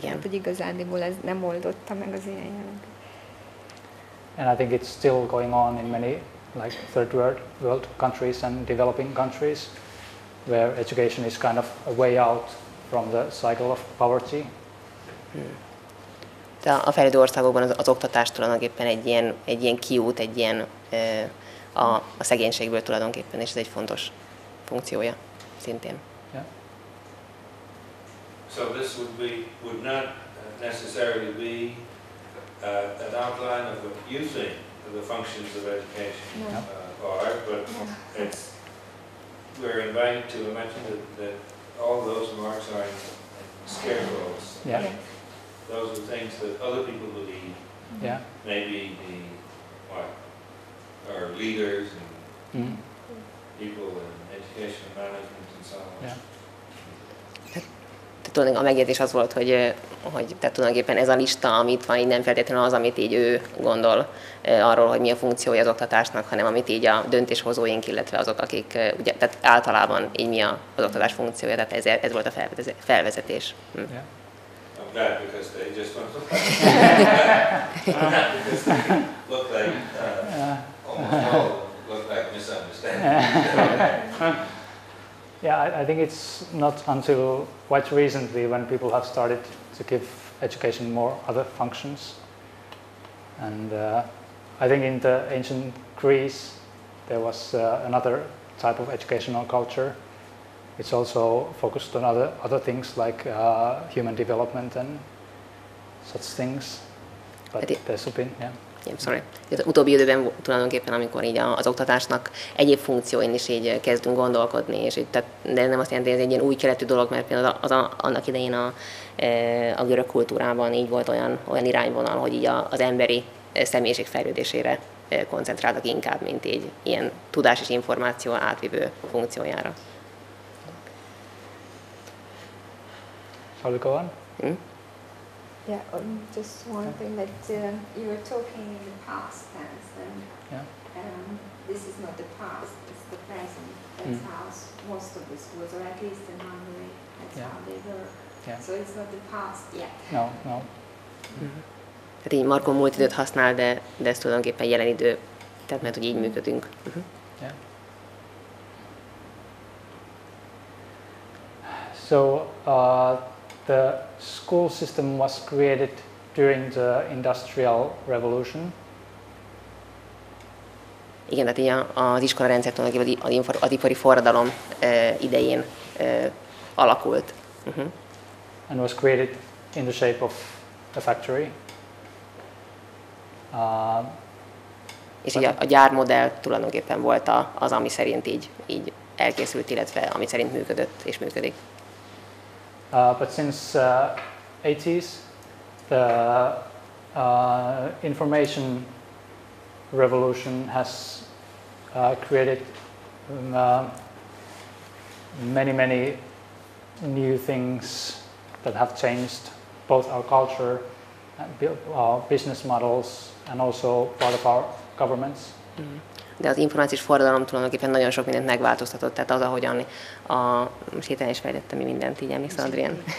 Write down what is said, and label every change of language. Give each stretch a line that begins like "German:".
Hungarian: Tehát, hogy igazándiból ez nem oldotta meg az ilyen jelenleg.
English: And I think it's still going on in many like third world countries and developing countries where education is kind of a way out from the cycle of poverty.
Hungarian: De a fejlődő országokban az oktatás tulajdonképpen egy ilyen kiút, egy ilyen a szegénységből tulajdonképpen, és ez egy fontos funkciója szintén.
English: Yeah. So this would not necessarily be an outline of what you think of the functions of education are, but we're invited to imagine that all those marks are in scarecrows. Yeah. Those are things that other people believe. Yeah. Maybe the our leaders and people in education. education management and so on. Yeah.
Hungarian: Tulajdonképpen a megjegyzés az volt, hogy tehát tulajdonképpen ez a lista, amit van, így nem feltétlenül az, amit így ő gondol arról, hogy mi a funkciója az oktatásnak, hanem amit így a döntéshozóink, illetve azok, akik ugye, tehát általában így mi az oktatás funkciója, tehát ez volt a felvezetés.
English: Yeah. I'm glad because they just want to talk about it. Look like, almost all look like misunderstanding. Yeah, I think it's not until quite recently when people have started to give education more other functions. And I think in the ancient Greece there was another type of educational culture. It's also focused on other things like human development and such things. But there's been, yeah.
Hungarian: Az utóbbi időben tulajdonképpen, amikor így az oktatásnak egyéb funkcióin is így kezdünk gondolkodni, és így, tehát, de nem azt jelenti, hogy ez egy ilyen új keletű dolog, mert például az annak idején a görög kultúrában így volt olyan irányvonal, hogy így az emberi személyiség fejlődésére koncentráltak inkább, mint így ilyen tudás és információ átvívő funkciójára.
English: Shall we go on? Yeah, just one thing that you were talking in the past tense, and this is not the past, it's the present. That's how most of the schools, or at least in Hungary, that's how they work. Yeah. So it's not the past yet. No, no. Mm-hmm.
Hungarian: Tehát így Marko múlt időt használ, de ez tulajdonképpen jelen idő, tehát mert hogy így működünk.
English: Mm-hmm. Yeah. So, the school system was created during the Industrial Revolution.
Hungarian: Igen, tehát így az iskola rendszer tulajdonképpen az ipari forradalom idején alakult. Uh-huh.
English: And was created in the shape of a factory.
Hungarian: És így a gyár modell tulajdonképpen volt az, ami szerint így elkészült, illetve ami szerint működött és működik.
English: But since the 80s, the information revolution has created many, many new things that have changed both our culture, our business models, and also part of our governments. Mm-hmm.
Hungarian: De az információs forradalom tulajdonképpen nagyon sok mindent megváltoztatott, tehát az, ahogyan most héten is fejlettem mi mindent, így emlékszel, Adrián.